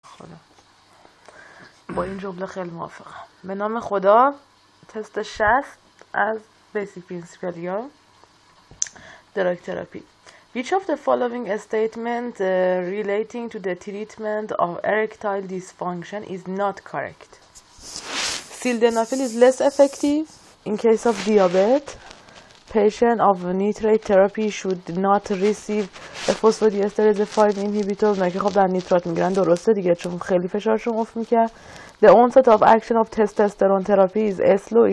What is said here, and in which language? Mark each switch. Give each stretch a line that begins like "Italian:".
Persian: خدا، با این جمله خیلی موافقم. به نام خدا، تست 60 از بیسیک پرینسیپل یا دراگ تراپی.
English: Which of the following statements relating to the treatment of erectile dysfunction is not correct? Sildenafil is less effective in case of diabetes. Patient of nitrate therapy should not receive a phosphodiesterase 5 inhibitor.
Persian: نه که خب در نیترات میگرن درسته دیگه، چون خیلی فشارشون افت میکرد.
English: The onset of action of testosterone therapy is slow.